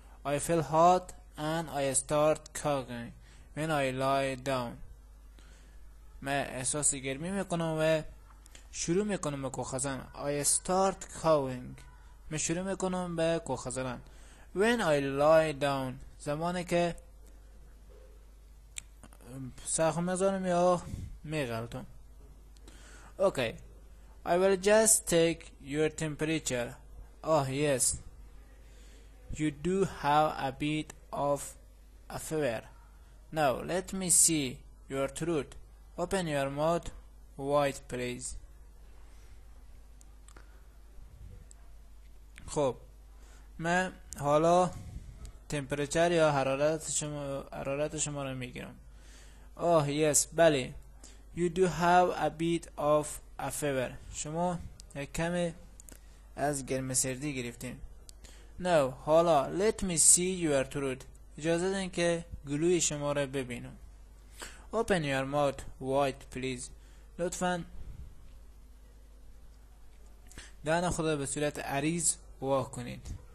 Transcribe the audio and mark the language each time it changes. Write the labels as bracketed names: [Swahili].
[English] I feel hot and I start coughing when I lie down. [Persian] من احساس گرمی میکنم و شروع میکنم به کخه زدن. [English] I start coughing. [Persian] من شروع میکنم به کخه زدن. [English] When I lie down. [Persian] زمانی که سرخو میذارم یا میغلطم. [English] Okay. I will just take your temperature. Oh yes. You do have a bit of a fever. Now let me see your throat. Open your mouth wide, please. [Persian] خب من حالا تمپرچر یا حرارت شما را میگیرم. آه یس، بله. [English] You do have a bit of a fever. [Persian] شما یک کمی از گرمسردی گرفتین. [English] No. حالا let me see your throat. [Persian] اجازه دهید که گلوی شما را ببینم. [English] Open your mouth wide please. [Persian] لطفاً دهان خود را به صورت عریض وا کنید.